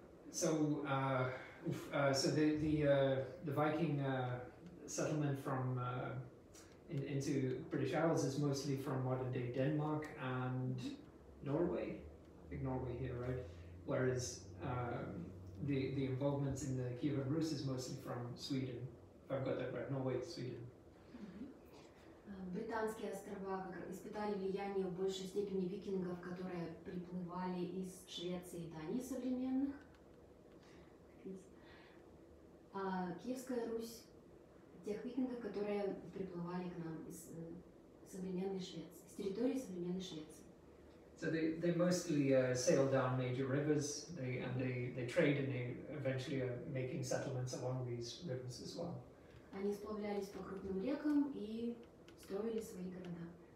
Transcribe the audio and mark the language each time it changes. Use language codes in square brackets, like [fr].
[en] So the Viking settlement from into British Isles is mostly from modern day Denmark and Norway, I think Norway here, right? Whereas the involvement in the Kievan Rus is mostly from Sweden. If I've got that right, Norway, Sweden. [ru] Британские острова испытали влияние в большей степени викингов, которые приплывали из Швеции и Дании современных. А Киевская Русь тех викингов, которые приплывали к нам из современной Швеции, с территории современной Швеции. [en] So they mostly sail down major rivers, and they trade, and they eventually are making settlements along these rivers as well. [ru] Они сплавлялись по крупным рекам и строили свои города.